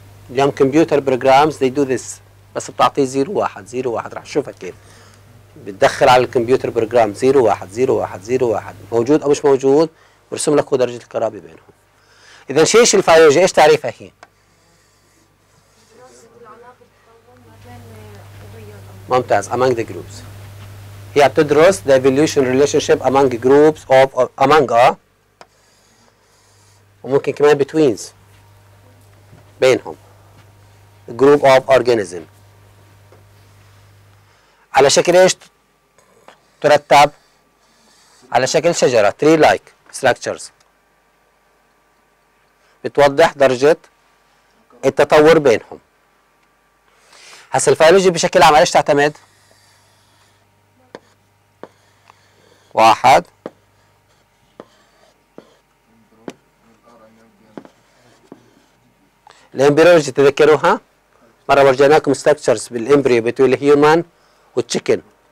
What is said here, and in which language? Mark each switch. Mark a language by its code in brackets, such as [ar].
[ar] اليوم كمبيوتر بروجرامز [en] they do this، [ar] بس بتعطيه 0 1 0 1 رح اشوفها كيف بتدخل على الكمبيوتر بروجرام 0 1 0 1 0 1 موجود او مش موجود، برسم لك هو درجة القرابة بينهم. اذا شو ايش الفيولوجي؟ ايش تعريفها هي؟ ممتاز. [en] Among the groups. [ar] هي بتدرس [en] the evolution relationship among groups of among a [ar] وممكن كمان [en] betweens بينهم group of organism. [ar] على شكل ايش ترتب؟ على شكل شجرة [en] tree like structures. [ar] بتوضح درجة التطور بينهم. هسا الفيولوجي بشكل عام على ايش تعتمد؟ واحد الامبريولوجي تذكروها؟ مرة ورجيناكم ستكتشرز بالامبريو [en] Between الهيومان والتشيكن.